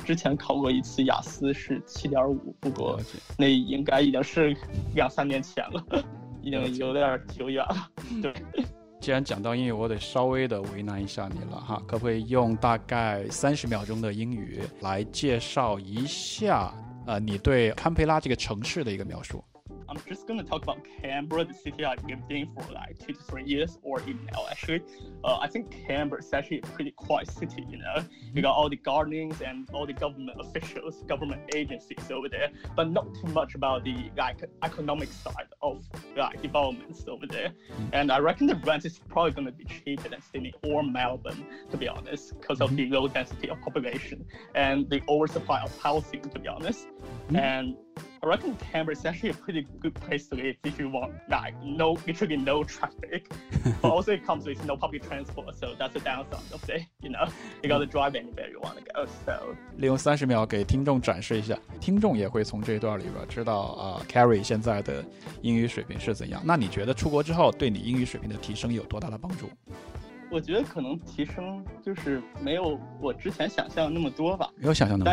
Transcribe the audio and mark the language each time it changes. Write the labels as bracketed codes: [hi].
[zh] 之前考过一次雅思是 7.5， 不过那应该已经是两三年前了，已经有点久远了。对，既然讲到英语，我得稍微的为难一下你了哈，可不可以用大概30秒钟的英语来介绍一下，你对堪培拉这个城市的一个描述 [en] ？I'm just gonna talk about Canberra, the city I've lived in for like 2 to 3 years, or even now. Actually, I think Canberra is actually a pretty quiet city. You know, you got all the gardens and all the government officials, government agencies over there, but not too much about the like economic side of like developments over there. And I reckon the rent is probably going to be cheaper than Sydney or Melbourne, to be honest, because of the low density of population and the oversupply of housing, to be honest. And I reckon Canberra is actually a pretty good place to live if you want like no, literally no traffic. But also it comes with no public transport, so that's a downside of it, you know. You gotta drive anywhere you want to go, so. [zh] 利用30秒给听众展示一下，听众也会从这段里边知道Carrie 现在的英语水平是怎样。那你觉得出国之后对你英语水平的提升有多大的帮助？我觉得可能提升就是没有我之前想象那么多吧，没有想象那么多，